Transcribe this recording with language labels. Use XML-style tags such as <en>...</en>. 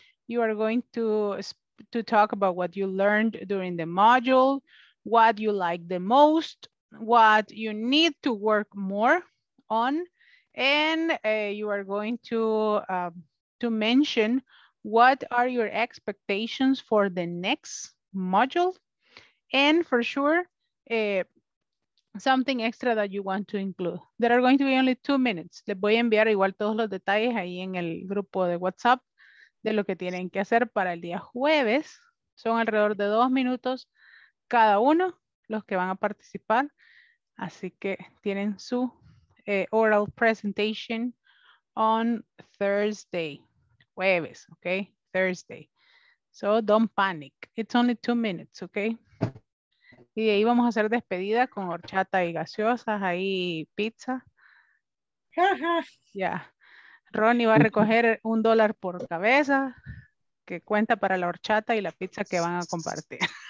<en>You are going to talk about what you learned during the module, what you like the most, what you need to work more on, and you are going to mention what are your expectations for the next module. And for sure, something extra that you want to include. There are going to be only 2 minutes.</en> <es>Les voy a enviar igual todos los detalles ahí en el grupo de WhatsApp de lo que tienen que hacer para el día jueves. Son alrededor de 2 minutos cada uno los que van a participar. Así que tienen su</es> <en>oral presentation on Thursday.</en> <es>Jueves, okay?</es> <en>Thursday. So don't panic. It's only 2 minutes, okay?</en> <es>Y de ahí vamos a hacer despedida con horchata y gaseosas, ahí pizza. Ja, ja. Ya. Ronnie va a recoger un dólar por cabeza, que cuenta para la horchata y la pizza que van a compartir.</es>